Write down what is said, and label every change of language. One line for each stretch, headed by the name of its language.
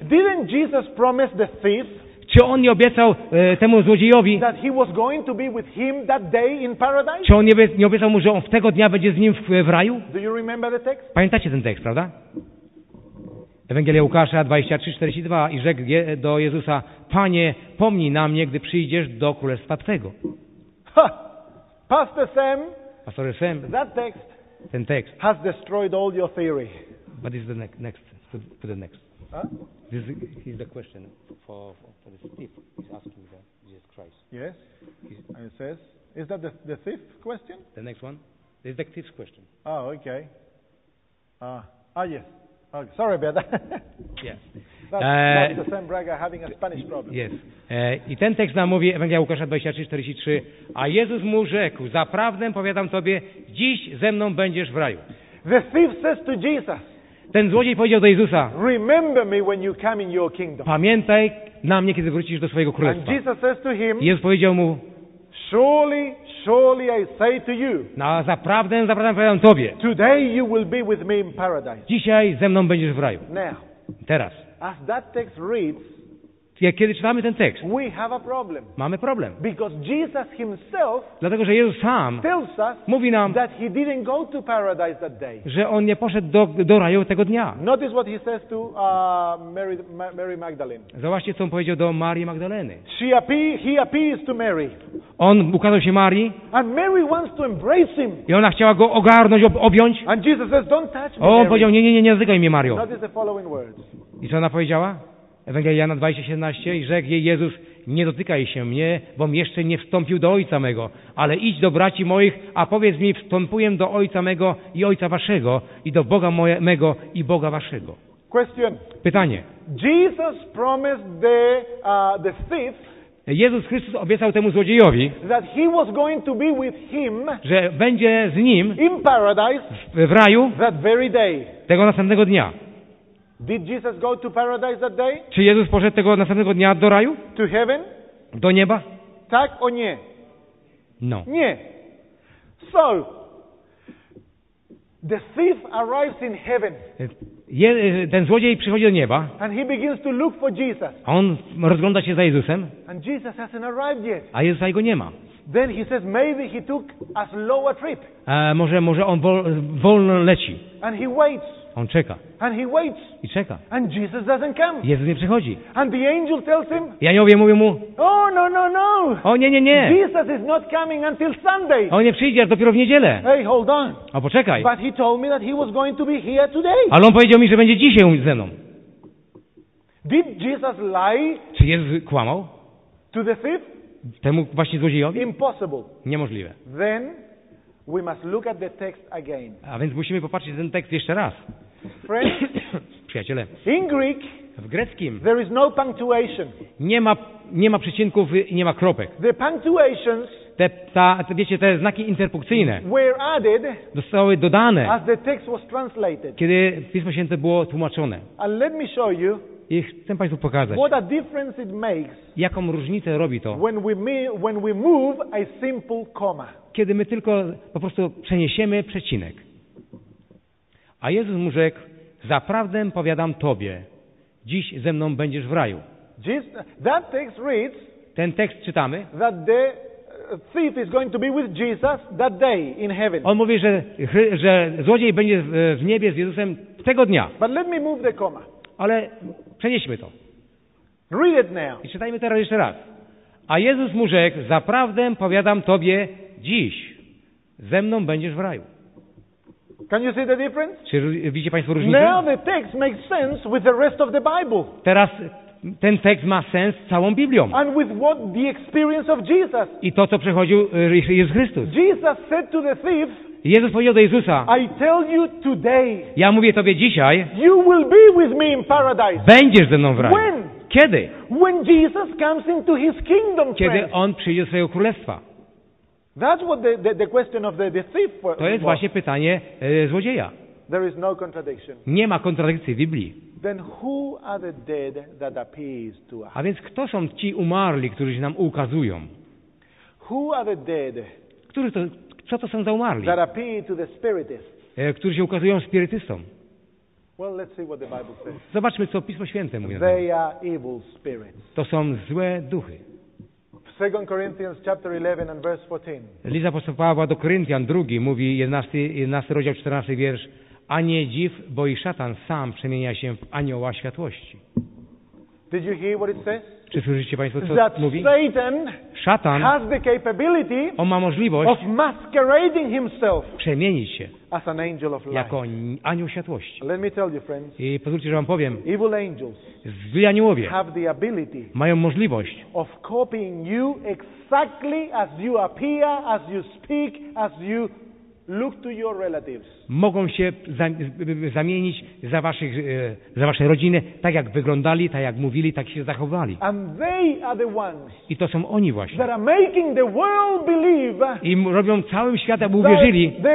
English: Didn't Jesus promise the thief,
Polish: czy on nie obiecał temu złodziejowi,
English: that he was going to be with him that day in paradise?
Polish: Czy on nie obiecał mu, że on w tego dnia będzie z nim w raju?
English: Do you remember the text?
Polish: Pamiętacie ten tekst, prawda? Ewangelia Łukasza 23:42 i rzekł do Jezusa: Panie, pomnij na mnie, gdy przyjdziesz do Królestwa Twego.
English: Ha! Pastor Sam, Pastor Sam, that text, ten tekst, has destroyed all your theory. What is the next? For the next. Huh? This is the question for the thief. He's asking the Jesus Christ. Yes. And it says, is that the thief question? The next one. This is the thief's question. Oh, okay. Yes. Okay, sorry about that. Yes. That's the same braga having a Spanish problem. Yes.
Polish: I ten tekst nam mówi, Ewangelia Łukasza 23:43, a Jezus mu rzekł, zaprawdę powiadam tobie, dziś ze mną będziesz w raju.
English: The thief says to Jesus,
Polish: ten złodziej powiedział do Jezusa,
English: remember me when you come in your kingdom.
Polish: Pamiętaj na mnie, kiedy wrócisz do swojego królestwa.
English: And Jesus says to him,
Polish: Jezus powiedział mu,
English: surely, surely I say to you,
Polish: na zaprawdę, zaprawdę powiadam tobie,
English: today you will be with me in paradise.
Polish: Dzisiaj ze mną będziesz w raju.
English: Now,
Polish: teraz,
English: as that text reads,
Polish: kiedy czytamy ten tekst,
English: we have a problem.
Polish: Mamy problem.
English: Because Jesus himself,
Polish: dlatego, że Jezus sam
English: tells us,
Polish: mówi nam,
English: that he didn't go to paradise that day.
Polish: Że on nie poszedł do raju tego dnia.
English: Notice what he says to Mary Magdalene.
Polish: Zobaczcie, co on powiedział do Marii Magdaleny.
English: He appears to Mary.
Polish: On ukazał się Marii.
English: And Mary wants to embrace him.
Polish: I ona chciała go ogarnąć, objąć.
English: And Jesus says, don't touch me,
Polish: on
English: Mary.
Polish: Powiedział, nie zdykaj mnie, Mario.
English: Notice the following words.
Polish: I co ona powiedziała? Ewangelia Jana 20:17 i rzekł jej Jezus, nie dotykaj się mnie, bom jeszcze nie wstąpił do Ojca mego, ale idź do braci moich, a powiedz mi, wstąpuję do Ojca mego i Ojca waszego i do Boga mego i Boga waszego.
English: Question.
Polish: Pytanie.
English: Jesus promised the thief,
Polish: Jezus Chrystus obiecał temu złodziejowi,
English: that he was going to be with him,
Polish: że będzie z nim
English: in paradise,
Polish: w raju
English: that very day,
Polish: tego następnego dnia.
English: Did Jesus go to paradise that day?
Polish: Czy Jezus poszedł tego następnego dnia do raju?
English: To heaven?
Polish: Do nieba? Tak, o nie.
English: No.
Polish: Nie.
English: So, the thief arrives in heaven.
Polish: Ten złodziej przychodzi do nieba.
English: And he begins to look for Jesus.
Polish: A on rozgląda się za Jezusem.
English: And Jesus hasn't arrived yet.
Polish: A Jezusa jego nie ma.
English: Then he says maybe he took a slower trip.
Polish: Może on wolno leci.
English: And he waits.
Polish: On czeka.
English: And he waits.
Polish: I czeka.
English: And Jesus doesn't come.
Polish: Jezus nie przychodzi.
English: And the angel tells him.
Polish: I aniołowie mówią mu.
English: Oh no no no.
Polish: O nie nie nie.
English: Jesus is not coming until Sunday.
Polish: On nie przyjdzie dopiero w niedzielę.
English: Hey, hold on.
Polish: A poczekaj.
English: But he told me that he was going to be here today.
Polish: Ale on powiedział mi, że będzie dzisiaj ze mną.
English: Did Jesus lie?
Polish: Czy Jezus kłamał?
English: To the thief?
Polish: Temu właśnie złodziejowi?
English: Impossible.
Polish: Niemożliwe.
English: Then we must look at the text again.
Polish: A więc musimy popatrzeć ten tekst jeszcze raz.
English: Friends,
Polish: przyjaciele.
English: In Greek,
Polish: w greckim.
English: There is no punctuation.
Polish: Nie ma przecinków i nie ma kropek.
English: The punctuations.
Polish: Te znaki interpunkcyjne.
English: Were added.
Polish: Zostały dodane.
English: As the text was translated.
Polish: Kiedy Pismo Święte było tłumaczone.
English: And let me show you.
Polish: I chcę Państwu pokazać,
English: what a difference it makes,
Polish: jaką różnicę robi to,
English: when we move a simple comma.
Polish: Kiedy my tylko po prostu przeniesiemy przecinek. A Jezus mu rzekł, zaprawdę powiadam Tobie, dziś ze mną będziesz w raju.
English: That text reads,
Polish: ten tekst czytamy,
English: that the thief is going to be with Jesus that day in heaven.
Polish: On mówi, że złodziej będzie w niebie z Jezusem tego dnia.
English: But let me move the comma.
Polish: Ale przenieśmy to.
English: Read it now.
Polish: I czytajmy teraz jeszcze raz. A Jezus mu rzekł, zaprawdę powiadam Tobie, dziś ze mną będziesz w raju.
English: Can you see the difference?
Polish: Czy widzicie Państwo różnicę?
English: Now the text makes sense with the rest of the Bible.
Polish: Teraz ten tekst ma sens z całą Biblią.
English: And with what the experience of Jesus.
Polish: I to, co przechodził Jezus Chrystus.
English: Jesus said to the thief,
Polish: Jezus powiedział do Jezusa,
English: I tell you today,
Polish: ja mówię Tobie dzisiaj,
English: you will be with me in paradise.
Polish: Będziesz ze mną w raju.
English: When?
Polish: Kiedy?
English: When Jesus comes into his kingdom,
Polish: kiedy On przyjdzie do swojego królestwa.
English: That's what the question of the thief was.
Polish: To jest właśnie pytanie złodzieja.
English: There is no contradiction.
Polish: Nie ma kontradykcji w Biblii.
English: Then who are the dead that appears to us?
Polish: A więc kto są ci umarli, którzy się nam ukazują?
English: Who are the dead?
Polish: Którzy to... Co to są za umarli?
English: That appear to the spiritists.
Polish: Którzy się ukazują spirytystom.
English: Well, let's see what the Bible says.
Polish: Zobaczmy, co Pismo Święte mówi.
English: They are evil spirits.
Polish: To są złe duchy.
English: 2 Corinthians chapter 11 and verse 14.
Polish: Liza apostoła Pawła do Koryntian 2 mówi 11 rozdział 14 wiersz. A nie dziw, bo i szatan sam przemienia się w anioła światłości.
English: Did you hear what it says?
Polish: Czy słyszycie Państwo, co
English: that
Polish: mówi?
English: Satan,
Polish: szatan,
English: has the capability,
Polish: on ma możliwość
English: of masquerading himself,
Polish: przemienić się
English: as an angel of light.
Polish: Jako anioł światłości.
English: Let me tell you, friends,
Polish: i pozwólcie, że Wam powiem,
English: evil angels,
Polish: zli aniołowie
English: have the ability,
Polish: mają możliwość
English: of copying you exactly as you appear, as you speak, as you look to your relatives.
Polish: Mogą się zamienić za wasze rodziny, tak jak wyglądali, tak jak mówili, tak się zachowali.
English: And they are the ones.
Polish: I to są oni właśnie.
English: That are making the world believe.
Polish: I robią całym światem, aby uwierzyli.